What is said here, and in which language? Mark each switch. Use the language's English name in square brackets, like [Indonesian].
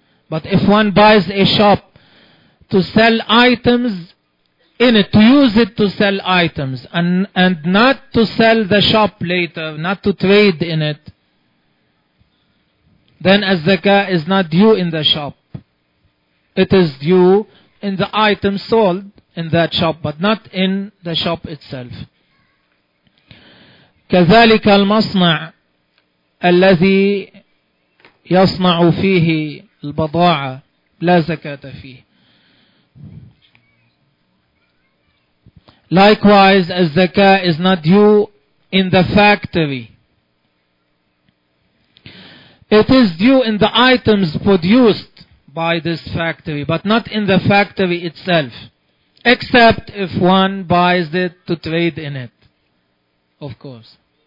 [English] But if one buys a shop to sell items in it, to use it to sell items and not to sell the shop later, not to trade in it, then zakah is not due in the shop. It is due in the item sold in that shop, but not in the shop itself. [Arabic] كذلك المصنع الذي يصنع فيه البضاعة لا زكاة فيه. [English] Likewise, الزكاه is not due in the factory. It is due in the items produced by this factory, but not in the factory itself, except if one buys it to trade in it, of course.